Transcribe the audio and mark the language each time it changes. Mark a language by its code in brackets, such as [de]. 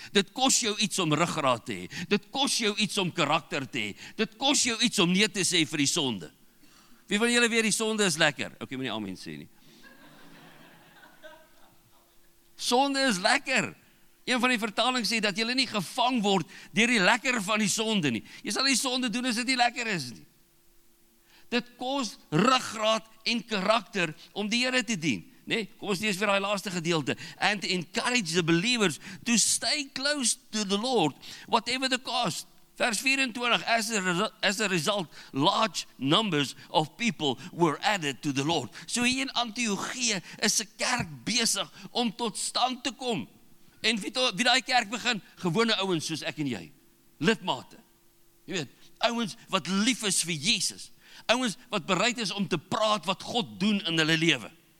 [af] Dit kos jou iets om ruggraat te hê. Dit kos jou iets om karakter te hê. Dit kos jou iets om nee te sê vir die sonde. Wie van julle weet, die sonde is lekker? Okay, moenie amen sê nie. Sonde is lekker. Een van die vertalings sê dat jy nie gevang word deur die lekker van die sonde nie. Jy sal die sonde doen as dit nie lekker is nie. Dit kos ruggraat en karakter om die Here te dien, né? Nee, kom ons lees vir daai laaste gedeelte. [en] And encourage the believers to stay close to the Lord, whatever the cost. [af] Vers 24, [en] as a result, large numbers of people were added to the Lord. [af] So hier in Antiochië is 'n kerk besig om tot stand te kom. En wie daai kerk begin? Gewone ouens soos ek en jy. Lidmate. Jy weet, ouens wat lief is vir Jesus. Ouens wat bereid is om te praat wat God doen in hulle lewe.